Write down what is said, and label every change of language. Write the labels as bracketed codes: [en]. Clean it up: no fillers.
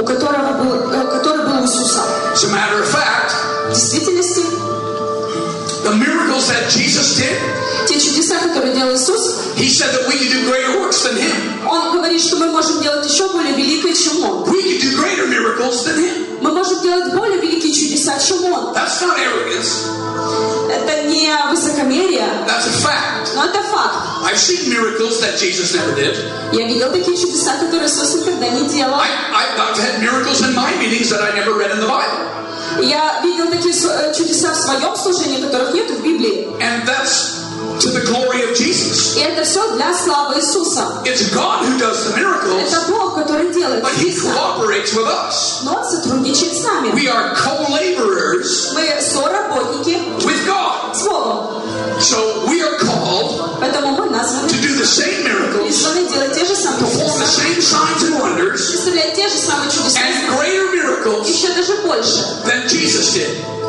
[ru] У которого был, который был Иисуса. [en] As a matter of fact, [ru] в действительности, [en] the miracles that Jesus did, [ru] те чудеса, которые делал Иисус, [en] he said that we could do greater works than him. [ru] Он говорит, что мы можем делать еще более великое, чем он. [en] We could do greater miracles than him. [ru] Мы можем делать более великие чудеса, чем он. [en] That's not arrogance. [ru] Это не высокомерие. [en] That's a fact. [ru] Но это факт. [en] I've seen miracles that Jesus never did. [ru] Я видел такие чудеса, которые Иисус никогда не делал. [en] I've had miracles in my meetings that I never read in the Bible. [ru] Я видел такие чудеса в своем служении, которых нет в Библии. [en] And that's to the glory of Jesus. [ru] И это все для славы Иисуса. [en] It's God who does the miracles. [ru] Это Бог, который делает чудеса. [en] But He cooperates with us. [ru] Но Он сотрудничает с нами. [en] We are co-laborers. [ru] Мы соработники. [en] With God. [ru] С Богом. [en] So we are called to do the same miracles, perform the same signs and wonders, and greater miracles than Jesus did.